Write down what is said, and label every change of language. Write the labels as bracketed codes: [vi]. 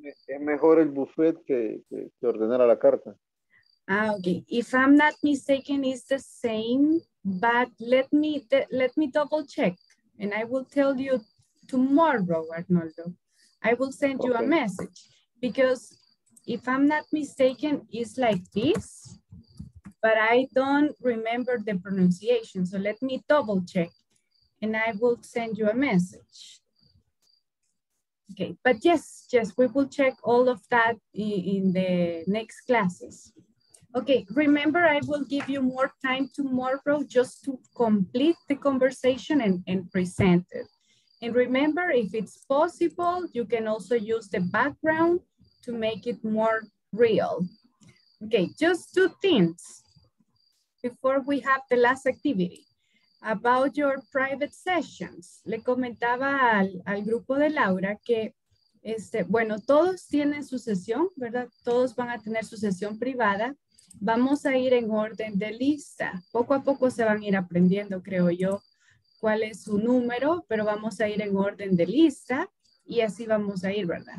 [es] Es mejor el buffet que ordenar a la carta. Okay. [en] If I'm not mistaken, it's the same, but let me double check and I will tell you tomorrow, Arnoldo. I will send you a message because if I'm not mistaken, it's like this, but I don't remember the pronunciation. So let me double check and I will send you a message. Okay, but yes, we will check all of that in the next classes. Okay, remember, I will give you more time tomorrow just to complete the conversation and present it. And remember, if it's possible, you can also use the background to make it more real. Okay, just two things before we have the last activity. About your private sessions. [es] Le comentaba al grupo de Laura que, bueno, todos tienen su sesión, ¿verdad? Todos van a tener su sesión privada. Vamos a ir en orden de lista. Poco a poco se van a ir aprendiendo, creo yo, cuál es su número, pero vamos a ir en orden de lista y así vamos a ir, ¿verdad?